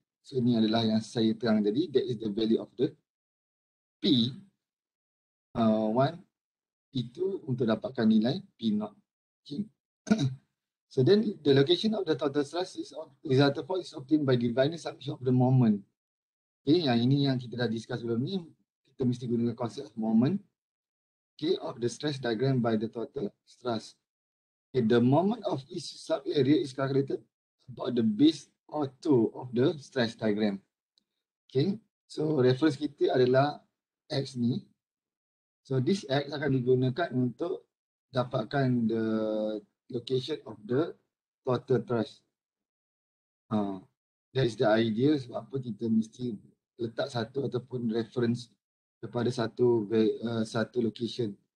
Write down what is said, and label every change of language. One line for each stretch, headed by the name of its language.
Malay: So ini adalah yang saya terang tadi,
English: that is the value of the P1, P2
Malay: untuk dapatkan nilai P0. Okay.
English: So then the location of the total stress is resultant force is obtained by dividing sum of the moment. Okay,
Malay: yang ini yang kita dah discuss sebelum ni, kita mesti gunakan
English: concept of moment, okay, of the stress diagram by the total stress. Okay, the moment of each sub-area is calculated about the base or two of the stress diagram.
Malay: Okay, so reference kita adalah X ni.
English: So this X
Malay: akan digunakan untuk dapatkan
English: the location of the total stress. That is the idea
Malay: sebab apa kita mesti letak satu ataupun reference kepada satu satu location.